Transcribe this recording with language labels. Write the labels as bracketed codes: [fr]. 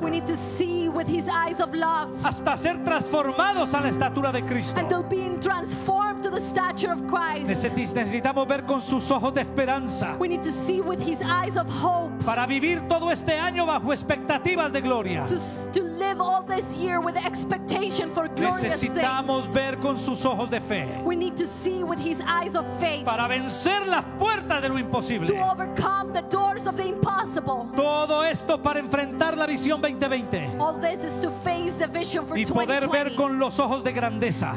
[en] We need to see with his eyes of love. [es] Hasta ser transformados a la estatura de Cristo. [en] Until being transformed to the stature of Christ. [es] Necesitamos ver con sus ojos de esperanza. [en] We need to see with his eyes of hope. [es] Para vivir todo este año bajo expectativas de gloria. [en] To live all this year with expectation for glorious things. [es] Necesitamos ver con sus ojos de fe. [en] We need to see with his eyes of faith. [es] Para vencer las puertas de lo imposible. [en] To overcome the doors of the impossible. [es] Todo esto para enfrentar la visión 2020. [en] All this is to face the vision for 2020. [es] Y poder ver con los ojos de grandeza.